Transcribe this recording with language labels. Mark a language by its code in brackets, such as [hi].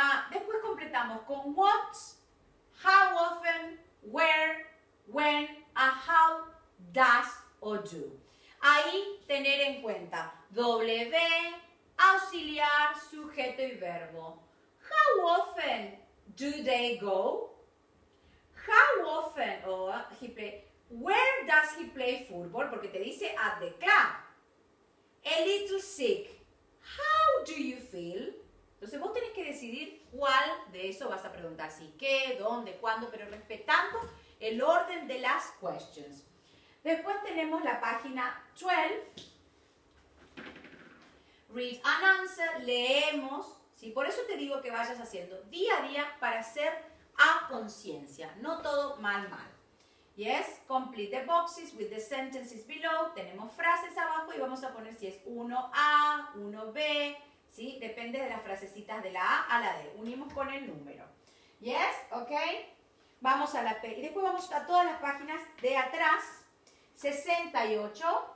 [es] Después completamos con what, how often, where, when, a how, does or do. Ahí tener en cuenta W, auxiliar, sujeto y verbo. [en] How often do they go? How often, he play, where does he play football? [es] Porque te dice [en] at the club. A little sick. How do you feel? [es] Entonces vos tenés que decidir cuál de eso vas a preguntar. Si qué, dónde, cuándo, pero respetando el orden de las questions. Después tenemos la página 12. [en] Read and answer. [es] Leemos. ¿Sí? Por eso te digo que vayas haciendo día a día para hacer a conciencia, no todo mal. [en] Yes, complete the boxes with the sentences below. [es] Tenemos frases abajo y vamos a poner si es 1A, 1B, ¿sí? Depende de las frasecitas de la A a la D. Unimos con el número. Yes, ok. Vamos a la P. Y después vamos a todas las páginas de atrás. 68.